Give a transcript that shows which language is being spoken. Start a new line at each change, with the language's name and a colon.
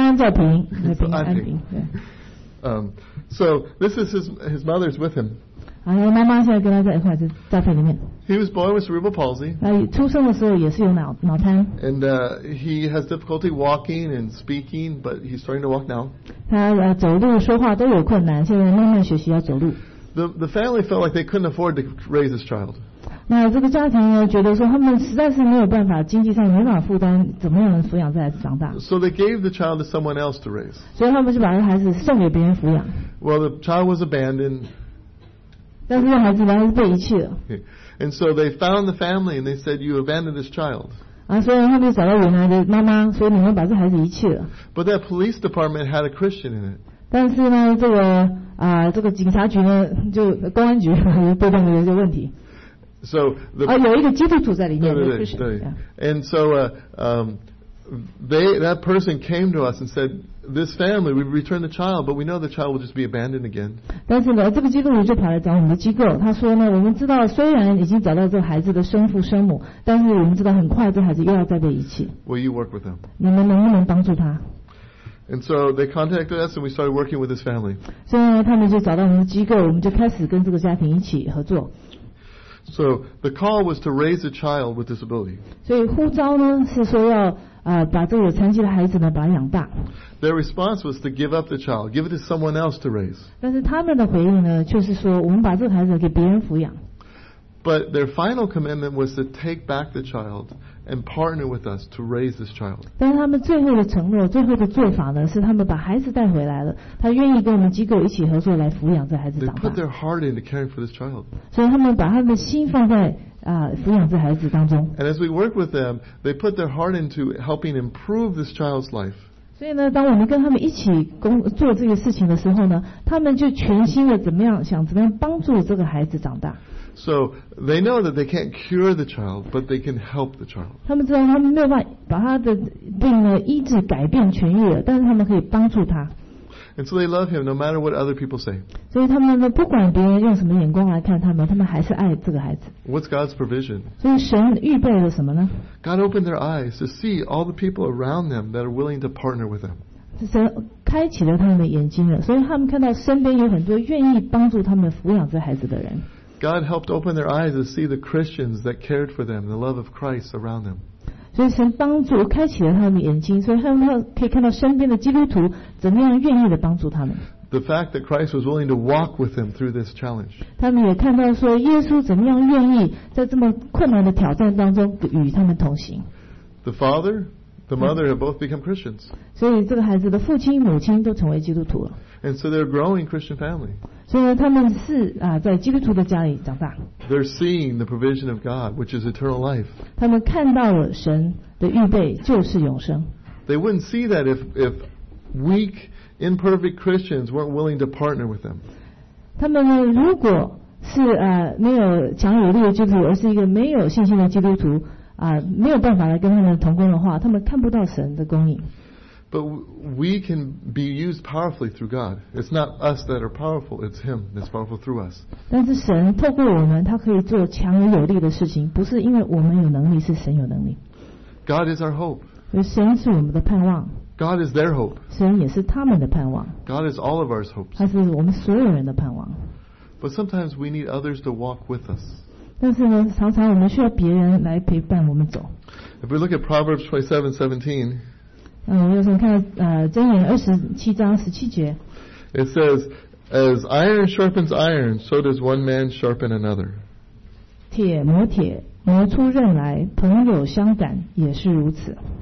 Chinese: 对，平安平，安平，安平，姓安，叫平，平安平。
English: So this is his mother's with him.
Chinese: 妈妈现在跟他在一块，在家里面。
English: He was born with cerebral palsy.
Chinese: 出生的时候也是有脑瘫。
English: And he has difficulty walking and speaking, but he's starting to walk now.
Chinese: 他走路说话都有困难，现在慢慢学习要走路。
English: The family felt like they couldn't afford to raise this child.
Chinese: 那这个家庭呢，觉得说他们实在是没有办法经济上没法负担，怎么样能抚养这孩子长大？
English: So they gave the child to someone else to raise.
Chinese: 所以他们就把这孩子送给别人抚养。
English: Well, the child was abandoned.
Chinese: 但是这孩子呢，是被遗弃了。
English: And so they found the family and they said, "You abandoned this child."
Chinese: 所以他们找到原来的妈妈，说你们把这孩子遗弃了。
English: But that police department had a Christian in it.
Chinese: 但是呢，这个啊、这个警察局呢，就公安局被动的有些问题。
English: So the
Chinese: 啊，有一个基督徒在里面，对对对。
English: And so that person came to us and said, "This family, we return the child, but we know the child will just be abandoned again."
Chinese: 但是呢，这个基督徒就跑来找我们的机构，他说呢，我们知道虽然已经找到这个孩子的生父生母，但是我们知道很快这孩子又要再被遗弃。
English: Will you work with them?
Chinese: 你们能不能帮助他？
English: And so they contacted us, and we started working with this family.
Chinese: 所以他们就找到我们的机构，我们就开始跟这个家庭一起合作。
English: So the call was to raise a child with disability.
Chinese: 所以呼召呢是说要把这个有残疾的孩子呢把他养大。
English: Their response was to give up the child, give it to someone else to raise.
Chinese: 但是他们的回应呢，就是说我们把这个孩子给别人抚养。
English: But their final commitment was to take back the child and partner with us to raise this child.
Chinese: 但他们最后的承诺，最后的做法呢，是他们把孩子带回来了。他愿意跟我们机构一起合作来抚养这孩子长大。
English: They put their heart into caring for this child.
Chinese: 所以他们把他们的心放在抚养这孩子当中。
English: And as we work with them, they put their heart into helping improve this child's life.
Chinese: 所以呢，当我们跟他们一起做这个事情的时候呢，他们就全心的怎么样想怎么样帮助这个孩子长大。
English: So they know that they can't cure the child, but they can help the child.
Chinese: 他们知道他们没有办法把他的病呢医治、改变、痊愈了，但是他们可以帮助他。
English: And so they love him, no matter what other people say.
Chinese: 所以他们呢，不管别人用什么眼光来看他们，他们还是爱这个孩子。
English: What's God's provision?
Chinese: 所以神预备了什么呢
English: ？God opened their eyes to see all the people around them that are willing to partner with them.
Chinese: 神开启了他们的眼睛了，所以他们看到身边有很多愿意帮助他们抚养这孩子的人。
English: God helped open their eyes to see the Christians that cared for them, the love of Christ around them.
Chinese: 所以神帮助开启了他们的眼睛，所以他们可以看到身边的基督徒怎么样愿意的帮助他们。
English: The fact that Christ was willing to walk with them through this challenge.
Chinese: 他们也看到说耶稣怎么样愿意在这么困难的挑战当中与他们同行。
English: The father, the mother have both become Christians.
Chinese: 所以这个孩子的父亲、母亲都成为基督徒了。
English: And so they're growing Christian family.
Chinese: 所以他们是在基督徒的家里长大。
English: They're seeing the provision of God, which is eternal life.
Chinese: 他们看到了神的预备，就是永生。
English: They wouldn't see that if weak, imperfect Christians weren't willing to partner with them.
Chinese: 他们呢，如果是没有强有力的基督徒，而是一个没有信心的基督徒没有办法来跟他们同工的话，他们看不到神的供应。
English: But we can be used powerfully through God. It's not us that are powerful; it's Him that's powerful through us.
Chinese: 但是神透过我们，他可以做强而有力的事情，不是因为我们有能力，是神有能力。
English: God is our hope.
Chinese: 所以神是我们的盼望。
English: God is their hope.
Chinese: 神也是他们的盼望。
English: God is all of our hopes.
Chinese: 他是我们所有人的盼望。
English: But sometimes we need others to walk with us.
Chinese: 但是呢，常常我们需要别人来陪伴我们走。
English: If we look at Proverbs 27:17.
Chinese: 有什么看箴言27:17
English: It says, "As iron sharpens iron, so does one man sharpen another."
Chinese: 铁磨铁，磨出刃来，朋友相感也是如此。